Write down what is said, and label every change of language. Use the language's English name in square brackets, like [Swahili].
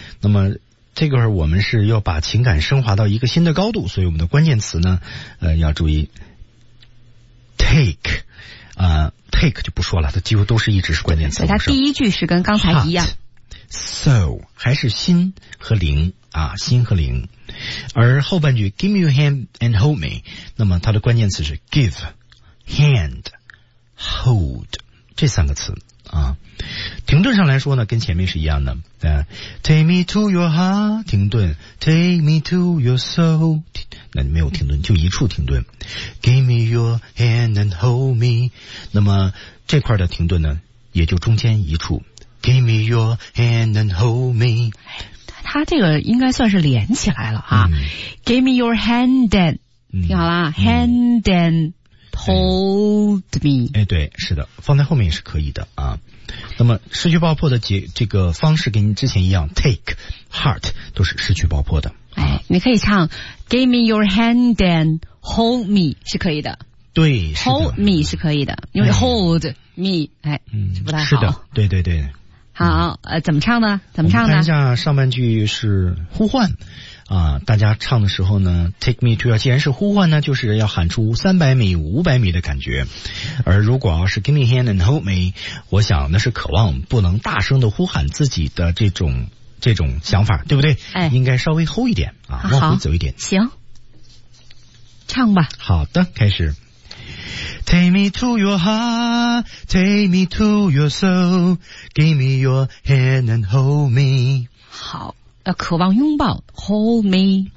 [Chinese] 那么这个我们是要把情感升华到一个新的高度，所以我们的关键词呢，要注意 take 啊，take 就不说了，它几乎都是一直是关键词。它第一句是跟刚才一样，so 还是心和灵啊，心和灵。而后半句 [English] give me your hand and hold me， [Chinese] 那么它的关键词是 give hand hold。这三个词啊，停顿上来说呢，跟前面是一样的。 [English] Take me to your heart， [Chinese] 停顿 ； [English] Take me to your soul， [Chinese] 那你没有停顿，就一处停顿。 [English] Give me your hand and hold me， [Chinese] 那么这块的停顿呢，也就中间一处。 [English] Give me your hand and hold me， [Chinese] 它这个应该算是连起来了啊。嗯， [English] Give me your hand and， [Chinese] 听好了，嗯， [English] hand and。 Hold me。 [Chinese] 哎，对，是的，放在后面也是可以的啊。那么失去爆破的这个方式跟你之前一样 ， [English] take heart [Chinese] 都是失去爆破的。哎，你可以唱 [English] Give me your hand and hold me [Chinese] 是可以的。对，是的 ， [English] hold me [Chinese] 是可以的，因为 hold me 哎，嗯，不太好。是的，对对对。好，怎么唱呢？怎么唱呢？看一下上半句是呼唤啊，大家唱的时候呢 ， [English] Take me to your， [Chinese] 既然是呼唤呢，就是要喊出300米、500米的感觉。而如果要是 [English] Give me a hand and hold me， [Chinese] 我想那是渴望，不能大声的呼喊自己的这种想法，对不对？哎，应该稍微 hold 一点啊，往回走一点。行，唱吧。好的，开始。 [English] Take me to your heart, take me to your soul, give me your hand and hold me。 [Chinese] 好。渴望拥抱 ，Hold me。